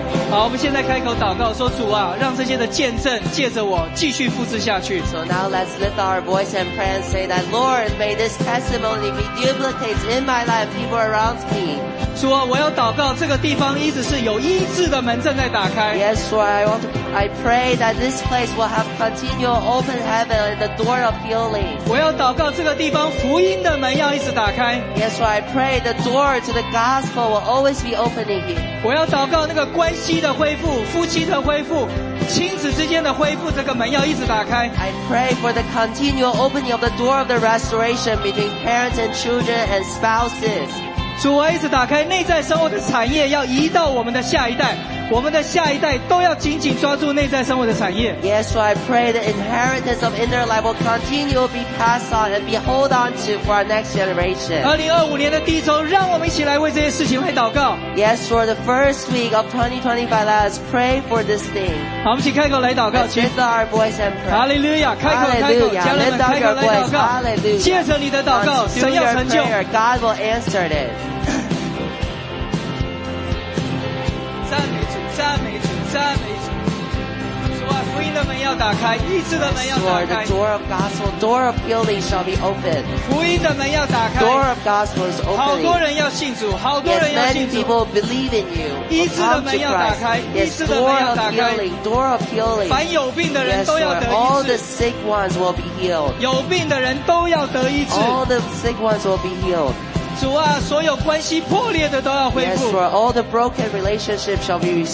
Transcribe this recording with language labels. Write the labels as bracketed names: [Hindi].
[Chinese] 好，我们现在开口祷告，说主啊，让这些的见证借着我继续复制下去。 [English] So now let's lift our voice and pray and say that, Lord, may this testimony be duplicated in my life, people around me. [Chinese] 主啊，我要祷告，这个地方一直是有医治的门正在打开。 [English] Yes, Lord, I pray that this place will have continual open heaven and the door of healing. [Chinese] 我要祷告，这个地方福音的门要一直打开。 [English] Yes, Lord, I pray the door to the gospel will always be opening here. [Chinese] 我要祷告那个关系。妻的恢复，夫妻的恢复，亲子之间的恢复，这个门要一直打开。 [English] I pray for the continual opening of the door of the restoration between parents and children and spouses. [Chinese] 主啊，一直打开内在生活的产业，要移到我们的下一代。我们的下一代都要紧紧抓住内在生活的产业。 [English] Yes, so I pray the inheritance of inner life will continue to be passed on and be hold on to for our next generation. [Chinese] 2025年的第一周，让我们一起来为这些事情来祷告。 [English] Yes, for the first week of 2025, let us pray for this thing. [Chinese] 好，我们请开口来祷告。 [English] Let's lift our voice and pray. Hallelujah! [Chinese] 开口，开口，家人们，开口来祷告。 Hallelujah! 借着你的祷告，神要成就。 [English] God will answer it. [Chinese] 赞美主，赞美主，赞美主。福音的门要打开，医治的门要打开。 [English] Lord, the door of gospel, door of healing shall be opened. [Chinese] 福音的门要打开。 [English] Door of gospel is opening. [Chinese] 好多人要信主，好多人要信主。 [English] Yes, many people believe in you. [Chinese] 医治的门要打开，医治的门要打开。 [English] Door of healing, door of healing. [Chinese] 凡有病的人都要得医治。 [English] All the sick ones will be healed. [Chinese] 有病的人都要得医治。 [English] All the sick ones will be healed. [Chinese] 主啊，所有关系破裂的都要恢复。 [English] Yes, Lord, all the broken relationships shall be restored.